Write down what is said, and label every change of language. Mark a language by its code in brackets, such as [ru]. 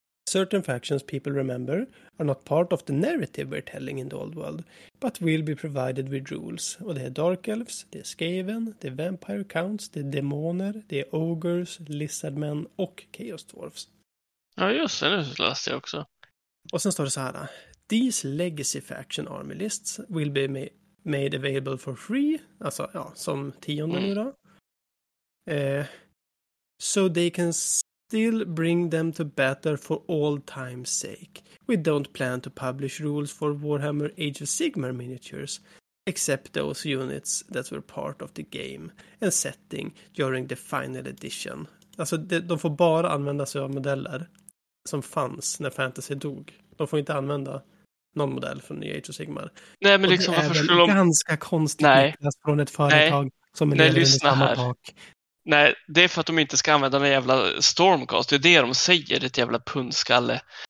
[en] Certain factions people remember are not part of the narrative we're telling in the old world, but will be provided with rules. [sv] Och det är Dark Elves, det är Skaven, det är Vampire Counts, det är Demoner, det är Ogres, Lizardmen och Chaos Dwarfs. Ja, just det. Nu läste jag också. Och sen står det så här. [en] These legacy faction army lists will be made available for free. [sv] Alltså, ja, som tionde nu då. [en] So they can still bring them to battle for all time's sake. We don't plan to publish rules for Warhammer Age of Sigmar miniatures, except those units that were part of the game and setting during the final edition. [sv] Alltså, de får bara använda sig av modeller som fanns när Fantasy dog. De får inte använda någon modell från nya Age of Sigmar. Nej, men liksom, det är väl de... ganska konstigt. Nej. Från ett företag. Nej. Som är i samma tak. Nej, det är för att de inte ska använda den jävla Stormcast. Det är det de säger, det jävla punskalle.